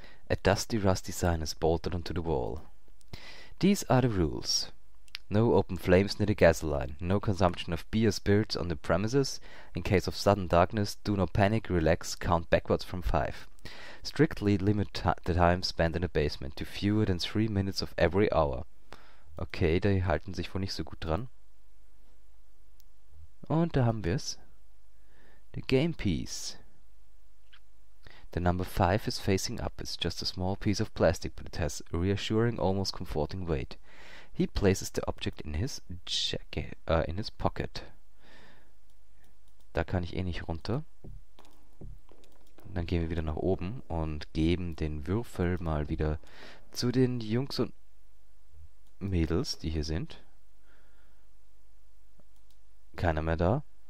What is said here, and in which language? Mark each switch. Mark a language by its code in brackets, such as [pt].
[en] A dusty, rusty sign is bolted onto the wall. These are the rules. No open flames near the gasoline. No consumption of beer spirits on the premises. In case of sudden darkness, do not panic, relax, count backwards from 5. Strictly limit the time spent in the basement to fewer than 3 minutes of every hour. [de] Okay, die halten sich wohl nicht so gut dran. Und da haben wir's. [en] The game piece. The number 5 is facing up. It's just a small piece of plastic, but it has a reassuring, almost comforting weight. He places the object in his jacket, in his pocket. [de] Da kann ich eh nicht runter. Dann gehen wir wieder nach oben und geben den Würfel mal wieder zu den Jungs und Mädels, die hier sind. Keiner mehr da.